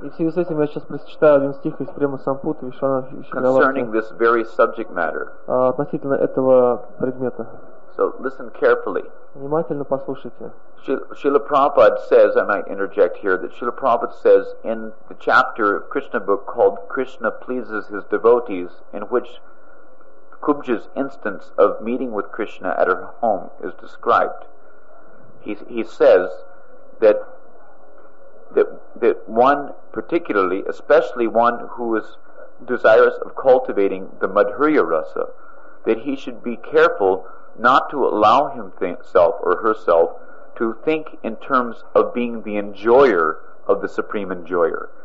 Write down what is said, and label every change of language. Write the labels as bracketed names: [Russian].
[Russian] И в связи с этим я сейчас прочитаю один стих из Према Сампута Вишванатха Чакравартии. [English] Concerning this very subject matter. [Russian] Относительно этого предмета. [English] So listen carefully. [Russian] Внимательно послушайте. [English] Srila Prabhupada says, I might interject here, that Srila Prabhupada says in the chapter of Krishna book called Krishna Pleases His Devotees, in which Kubja's instance of meeting with Krishna at her home is described. He says that one particularly, especially one who is desirous of cultivating the Madhurya Rasa, that he should be careful not to allow himself or herself to think in terms of being the enjoyer of the supreme enjoyer.